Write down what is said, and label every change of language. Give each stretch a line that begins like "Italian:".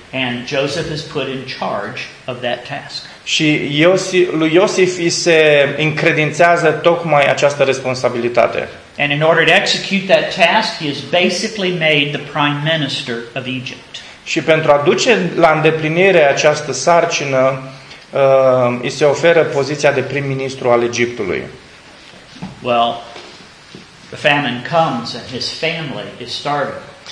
English: And Joseph is put in charge of that task.
Romanian: Și lui Iosif îi se încredințează tocmai această responsabilitate.
English: And in order to execute that task, he is basically made the prime minister of Egypt.
Romanian: Și pentru a duce la îndeplinire această sarcină, îi se oferă poziția de prim-ministru al Egiptului.
English: Well, the famine comes and his family is starving.